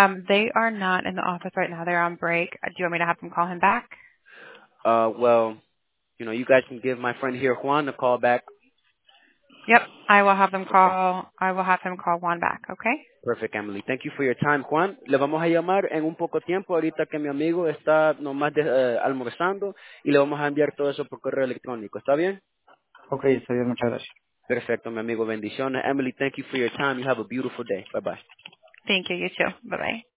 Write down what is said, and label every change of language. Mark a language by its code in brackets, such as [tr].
[en] They are not in the office right now. They're on break. Do you want me to have them call him back? You guys can give my friend here Juan a call back. Yep. I will have him call Juan back, okay? Perfect, Emily. Thank you for your time, Juan. [es] Le vamos a llamar en un poco tiempo, ahorita que mi amigo está nomás almorzando, y le vamos a enviar todo eso por correo electrónico. ¿Está bien? Okay, está bien. Muchas gracias. Perfecto, mi amigo. Bendiciones. [en] Emily, thank you for your time. You have a beautiful day. Bye-bye. Thank you. You too. Bye-bye.